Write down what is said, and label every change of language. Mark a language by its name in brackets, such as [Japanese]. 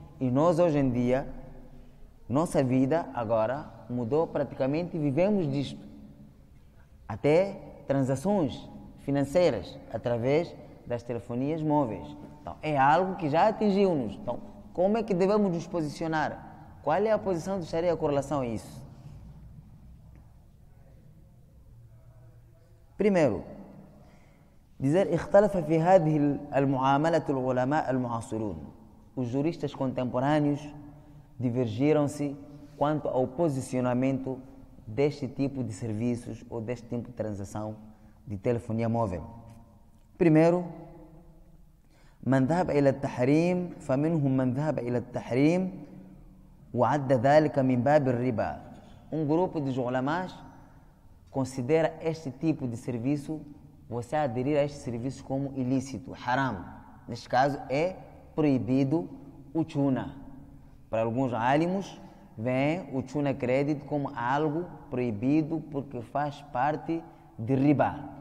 [Portuguese] E nós, hoje em dia, nossa vida agora mudou praticamente e vivemos disto. Até transações financeiras através das telefonias móveis. Então, é algo que já atingiu-nos. Então, como é que devemos nos posicionar? Qual é a posição do Sharia em correlação a isso? Primeiro, dizer [Arabic] اختلف في هذه المعاملة العلماء المعاصرون. [Portuguese] Os juristas contemporâneos divergiram-se quanto ao posicionamento deste tipo de serviços ou deste tipo de transação de telefonia móvel. Primeiro, [Arabic] من ذهب إلى التحريم فمنهم من ذهب إلى التحريم وعد ذلك من باب الربا. [Portuguese] Um grupo de ulamás considera este tipo de serviço, você aderir a este serviço, como ilícito, haram. Neste caso é proibido o tuna. Para alguns alimos, vem o tuna crédito como algo proibido porque faz parte de riba.